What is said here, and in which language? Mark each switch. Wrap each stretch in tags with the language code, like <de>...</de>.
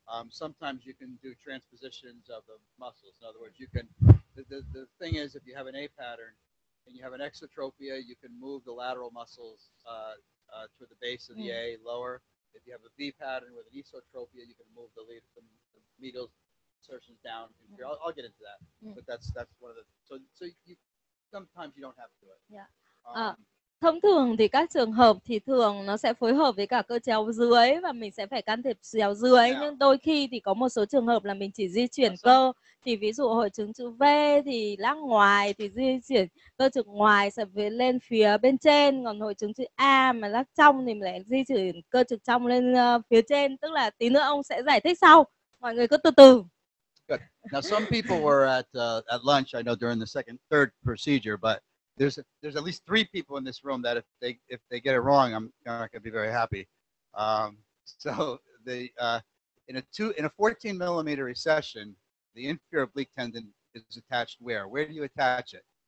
<en>Sometimes you can do transpositions of the muscles. In other words, you can, the thing is, if you have an A pattern and you have an exotropia, you can move the lateral muscles toward the base of the A lower. If you have a V pattern with an esotropia, you can move the medial insertions down. I'll get into that, but that's one of the, so you sometimes you don't have to do it.</en> <vi>Thông thường thì các trường hợp thì thường nó sẽ phối hợp với cả cơ chéo dưới và mình sẽ phải can thiệp chéo dưới. Yeah. Nhưng đôi khi thì có một số trường hợp là mình chỉ di chuyển cơ. Thì ví dụ hội chứng chữ V thì lác ngoài thì di chuyển cơ trực ngoài sẽ lên phía bên trên. Còn hội chứng chữ A mà lác trong thì mình lại di chuyển cơ trực trong lên phía trên. Tức là tí nữa ông sẽ giải thích sau. Mọi người cứ từ từ.</vi> <en>Good. Now some people were at lunch, I know during the second, third procedure, but There's at least three people in this room that if they get it wrong, I'm not going to be very happy. So in a 14 millimeter recession, the inferior oblique tendon is attached where? Where do you attach it?</en>